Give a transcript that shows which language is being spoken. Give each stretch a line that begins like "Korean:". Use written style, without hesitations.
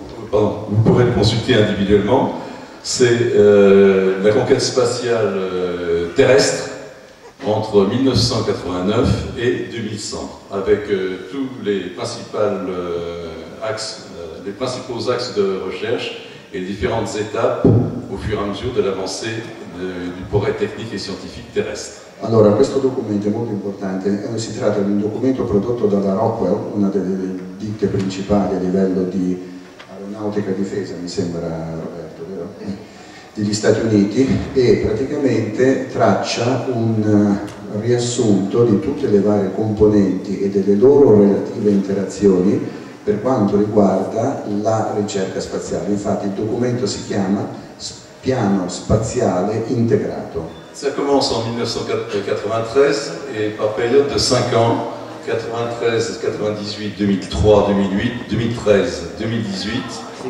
French: Vous pourrez le consulter individuellement. C'est la conquête spatiale terrestre entre 1989 et 2100, avec tous les principaux axes de recherche et différentes étapes au fur et à mesure de l'avancée du progrès technique et scientifique terrestre.
Italian: Allora, questo documento è molto importante. Si tratta di un documento prodotto dalla Rockwell, una delle ditte principali a livello di aeronautica difesa, mi sembra, Roberto, vero? Degli Stati Uniti, e praticamente traccia un riassunto di tutte le varie componenti e delle loro relative interazioni per quanto riguarda la ricerca spaziale. Infatti il documento si chiama Piano Spaziale Integrato.
French: Ça commence en 1993 et par période de 5 ans, 93, 98, 2003, 2008, 2013, 2018.